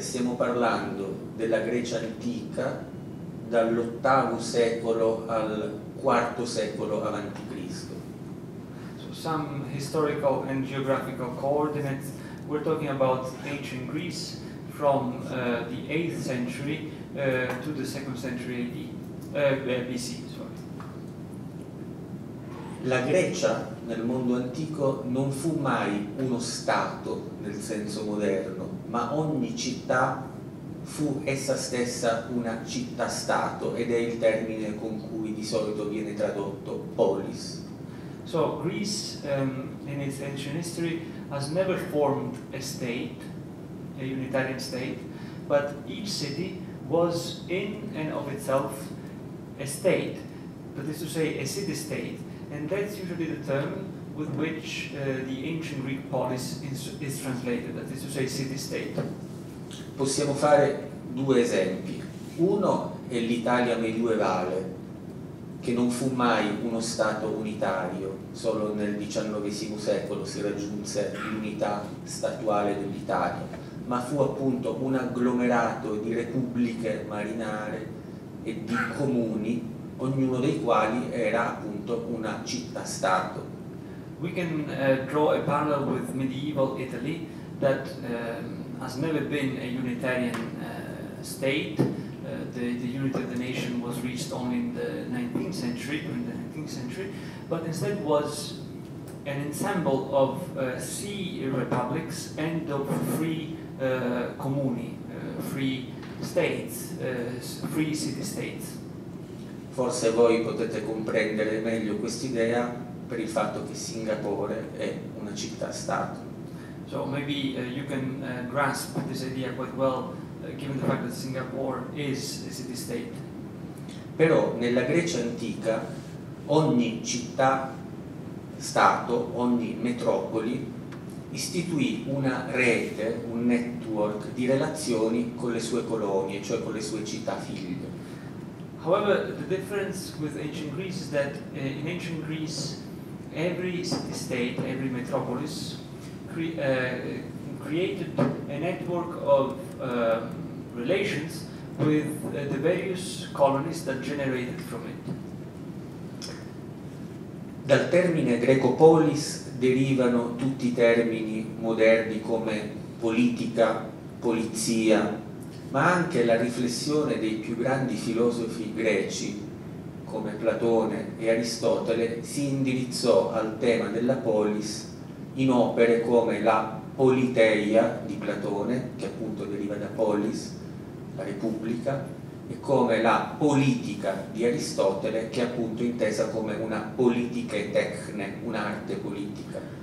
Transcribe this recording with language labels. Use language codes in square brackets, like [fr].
[it] Stiamo parlando della Grecia antica dall'VIII secolo al IV secolo avanti Cristo. [en] So some historical and geographical coordinates. We're talking about ancient Greece from the 8th century to the 2nd century AD, BC. Sorry. [it] La Grecia nel mondo antico non fu mai uno stato nel senso moderno, ma ogni città fu essa stessa una città-stato, ed è il termine con cui di solito viene tradotto polis. [en] So Greece in its ancient history has never formed a state, a unitarian state, but each city was in and of itself a state, that is to say a city-state. And that's usually the term with which the ancient Greek polis is translated, that is to say city-state. [it] Possiamo fare due esempi. Uno è l'Italia medievale, che non fu mai uno stato unitario, solo nel XIX secolo si raggiunse l'unità statuale dell'Italia, ma fu appunto un agglomerato di repubbliche marinare e di comuni, ognuno dei quali era appunto una città-stato. [en] We can draw a parallel with medieval Italy that has never been a unitarian state. The unity of the nation was reached only in the 19th century, but instead was an ensemble of sea republics and of free comuni, free states, free city-states. [it] Forse voi potete comprendere meglio quest'idea per il fatto che Singapore è una città-stato. [en] So maybe you can grasp this idea quite well, given the fact that Singapore is a city-state. [it] Però nella Grecia antica ogni città-stato, ogni metropoli, istituì una rete, un network di relazioni con le sue colonie, cioè con le sue città figlie. [en] However, the difference with ancient Greece is that in ancient Greece, every city-state, every metropolis, created a network of relations with the various colonies that generated from it. [it] Dal termine greco polis derivano tutti i termini moderni come politica, polizia, ma anche la riflessione dei più grandi filosofi greci come Platone e Aristotele si indirizzò al tema della polis in opere come la Politeia di Platone, che appunto deriva da polis, la repubblica, e come la Politica di Aristotele, che è appunto intesa come una politica e tecne, un'arte politica.